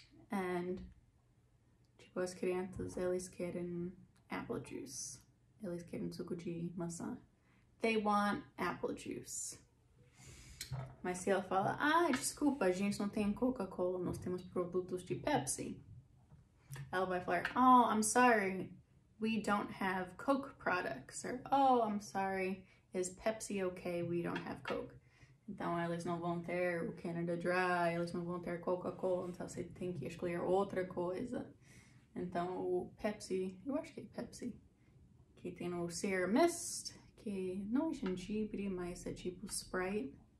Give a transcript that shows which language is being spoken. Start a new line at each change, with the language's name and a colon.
Portuguese: And as crianças, eles querem
English: apple juice.
Portuguese: Eles querem suco de maçã.
English: They want apple juice.
Portuguese: Mas se ela fala, ah, desculpa, a gente não tem Coca-Cola, nós temos produtos de Pepsi. Ela vai falar,
English: oh, I'm sorry, we don't have Coke products. Or, oh, I'm sorry, is Pepsi okay? We don't have Coke.
Portuguese: Então, eles não vão ter o Canada Dry, eles não vão ter Coca-Cola, então você tem que escolher outra coisa. Então, o Pepsi, eu acho que é Pepsi, que tem o Sierra Mist, que não é gengibre, mas é tipo Sprite.